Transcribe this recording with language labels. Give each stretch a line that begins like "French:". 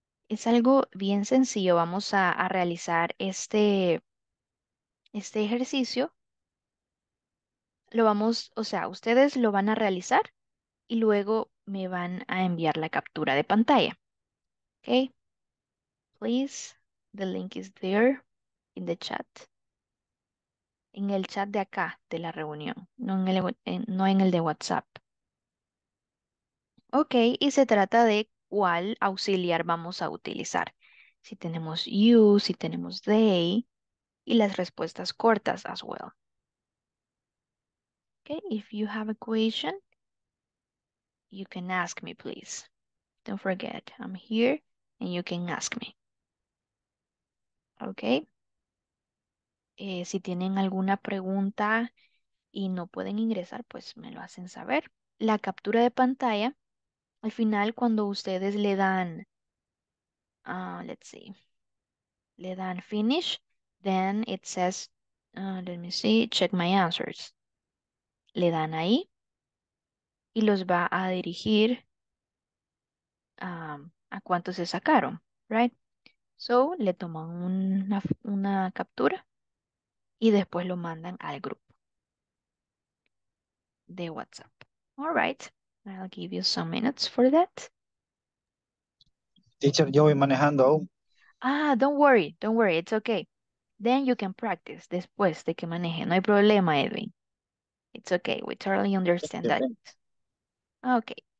Spanish: Es algo bien sencillo. Vamos a realizar este ejercicio. O sea, ustedes lo van a realizar y luego me van a enviar la captura de pantalla. Okay.
English: Please, the link is there in the chat.
Spanish: En el chat de acá de la reunión, no en el de WhatsApp. Ok, y se trata de cuál auxiliar vamos a utilizar. Si tenemos you, si tenemos they, y las respuestas cortas
English: as well. Ok, if you have a question, you can ask me, please. Don't forget, I'm here and you can ask me. Ok.
Spanish: Si tienen alguna pregunta y no pueden ingresar, pues me lo hacen saber. La captura de pantalla, al final, cuando ustedes le dan, let's see, le dan finish,
English: then it says, let me see, check my answers.
Spanish: Le dan ahí y los va a dirigir a cuántos se sacaron, right? So, le toman una captura. Y después lo mandan al grupo de WhatsApp.
English: All right, I'll give you some minutes for that.
Spanish: Teacher, yo voy manejando aún.
English: Ah, don't worry, it's okay. Then you can practice
Spanish: después de que maneje. No hay problema,
English: Edwin. It's okay, we totally understand that. Okay.